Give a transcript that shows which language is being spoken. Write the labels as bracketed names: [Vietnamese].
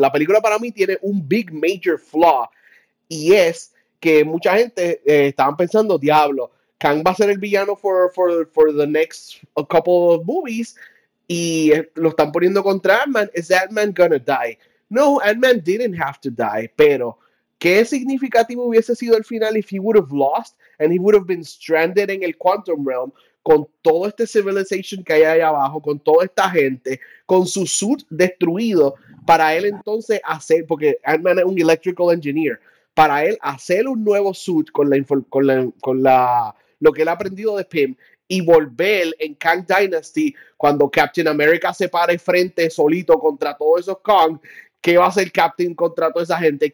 [Spanish] La película para mí tiene un [English] big major flaw, [Spanish] y es que mucha gente estaban pensando, diablo, Kang va a ser el villano [English] for the next couple of movies, [Spanish] y lo están poniendo contra Ant-Man. [English] ¿Es Ant-Man gonna die? No, Ant-Man didn't have to die, [Spanish] pero ¿qué significativo hubiese sido el final [English] if he would have lost and he would have been stranded in el Quantum Realm? [Spanish] Con todo este civilization que hay ahí abajo, con toda esta gente, con su suit destruido, para él entonces hacer, porque Ant-Man es un [English] electrical engineer, [Spanish] para él hacer un nuevo suit con lo que él ha aprendido de Pym, y volver en Kang Dynasty, cuando Captain America se pare frente solito contra todos esos Kang, ¿qué va a hacer Captain contra toda esa gente?